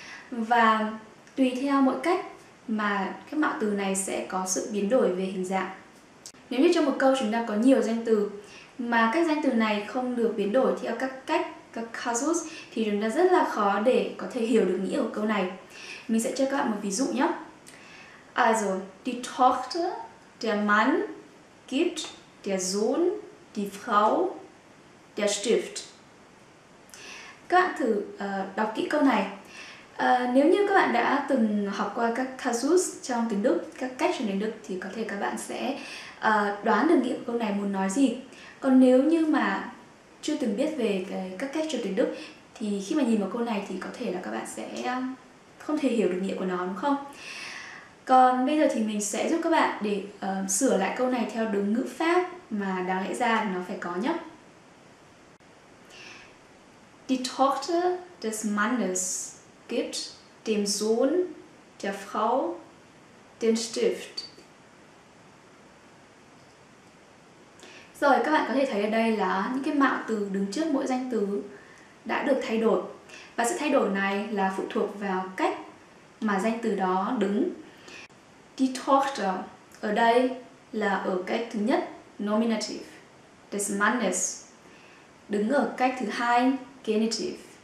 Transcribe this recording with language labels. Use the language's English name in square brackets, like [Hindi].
[Vietnamese] Và tùy theo mỗi cách mà các mạo từ này sẽ có sự biến đổi về hình dạng. Nếu như trong một câu chúng ta có nhiều danh từ mà các danh từ này không được biến đổi theo các cách, các casus thì chúng ta rất là khó để có thể hiểu được nghĩa của câu này. Mình sẽ cho các bạn một ví dụ nhé. [German] Also, die Tochter, der Mann, gibt, der Sohn, die Frau, der Stift. [Vietnamese] Các bạn thử đọc kỹ câu này. Nếu như các bạn đã từng học qua các casus trong tiếng Đức, các cách trong tiếng Đức thì có thể các bạn sẽ đoán được nghĩa của câu này muốn nói gì. Còn nếu như mà chưa từng biết về các cách trong tiếng Đức thì khi mà nhìn vào câu này thì có thể là các bạn sẽ không thể hiểu được nghĩa của nó đúng không? Còn bây giờ thì mình sẽ giúp các bạn để sửa lại câu này theo đúng ngữ pháp mà đáng lẽ ra nó phải có nhé. [German] Die Tochter des Mannes gibt dem Sohn der Frau den Stift. [Vietnamese] Rồi, các bạn có thể thấy ở đây là những cái mạo từ đứng trước mỗi danh từ đã được thay đổi. Và sự thay đổi này là phụ thuộc vào cách mà danh từ đó đứng. [German] Die Tochter [Vietnamese] ở đây là ở cách thứ nhất, nominative, [German] des Mannes, [Vietnamese] đứng ở cách thứ hai, genitive.